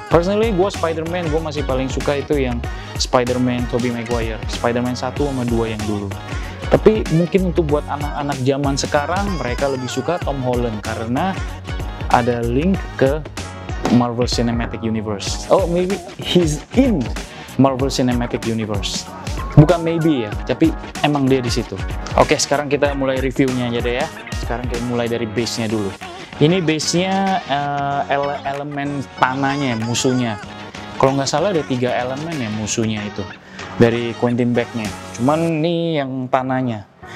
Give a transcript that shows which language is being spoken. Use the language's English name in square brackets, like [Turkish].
[English] Personally [Indonesian] gue Spider-Man, gue masih paling suka itu yang Spider-Man Tobey Maguire, Spider-Man 1 sama 2 yang dulu. Tapi mungkin untuk buat anak-anak zaman sekarang, mereka lebih suka Tom Holland karena ada link ke Marvel Cinematic Universe. [English] Oh, maybe he's in Marvel Cinematic Universe. [Indonesian] Bukan [English] maybe [Indonesian] ya, tapi emang dia di situ. Oke, sekarang kita mulai reviewnya aja deh ya. Sekarang kita mulai dari base-nya dulu. Ini base-nya elemen tanahnya, musuhnya. Kalau nggak salah ada 3 elemen ya musuhnya itu dari Quentin Beck-nya. Cuman ini yang tanahnya.